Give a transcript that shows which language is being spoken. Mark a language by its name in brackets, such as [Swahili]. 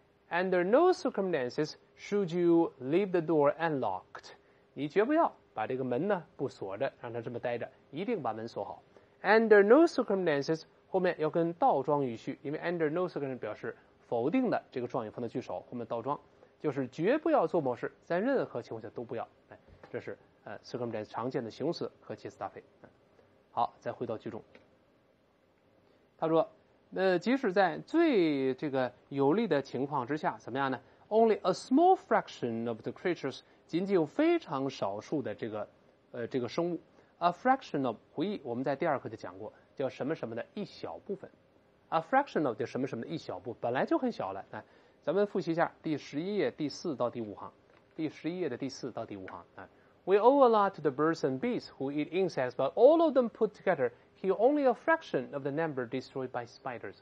[English] Under no circumstances should you leave the door unlocked. [Chinese] 你绝不要把这个门呢不锁着，让它这么待着，一定把门锁好。 [English] Under no circumstances [Chinese] 后面要跟倒装语序，因为 [English] under no circumstances [Chinese] 表示否定的这个状语放在句首，后面倒装，就是绝不要做某事，在任何情况下都不要。这是 circumstance 常见的形容词和介词搭配。好，再回到句中，他说即使在最这个有利的情况之下怎么样呢？ [English] Only a small fraction of the creatures， [Chinese] 仅仅有非常少数的这个生物。 [English] A fraction of， [Chinese] 回忆我们在第二课就讲过叫什么什么的一小部分， A fraction of 就什么什么的一小部分，本来就很小了。咱们复习一下第十一页第四到第五行，第十一页的第四到第五行啊。 [English] We owe a lot to the birds and bees who eat insects, but all of them put together heal only a fraction of the number destroyed by spiders.